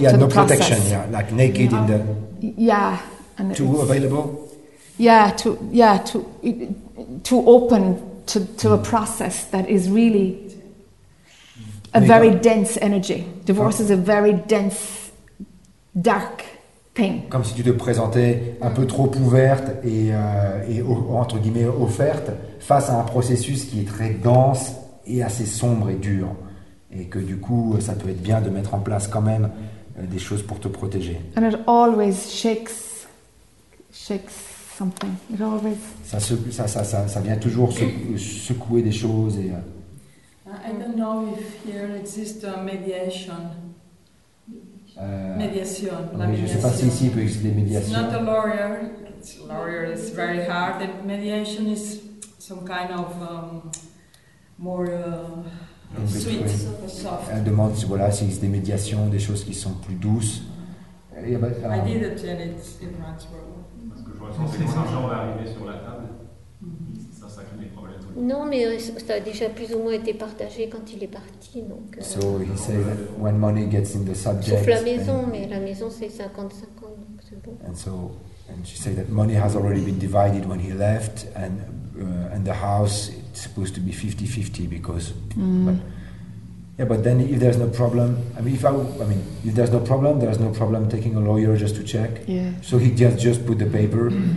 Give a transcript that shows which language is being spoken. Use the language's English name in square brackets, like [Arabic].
[English] Yeah, no protection, yeah, like naked in the. Yeah. And too available. Too open. To a process that is really a very dense energy. Divorce is a very dense, dark thing. [French] Comme si tu te présentais un peu trop ouverte et entre guillemets offerte face à un processus qui est très dense et assez sombre et dur. Et que du coup, ça peut être bien de mettre en place quand même des choses pour te protéger. [English] And it always shakes. Something. It always. [French] Ça vient toujours secouer des choses et. [English] I don't know if here exists a mediation. [French] Je ne sais pas si ici peut exister des médiations. [English] Not a lawyer. Lawyer is very hard. The mediation is some kind of more sweet, soft. [French] Elle demande voilà s'il existe des médiations, des choses qui sont plus douces. [English] I did it and it runs well. [French] Parce que je l'instant, c'est quand l'argent va arriver sur la table. Ça crée des problèmes. Non, mais ça a déjà plus ou moins été partagé quand il est parti. Donc, [English] so he said that when money gets in the subject. [French] Sauf la maison, mais la maison c'est 50-50, donc c'est bon. [English] And she said that money has already been divided when he left, and the house it's supposed to be 50-50 because. Yeah, but then if there's no problem, if there's no problem, there's no problem taking a lawyer just to check. Yeah. So he just put the paper.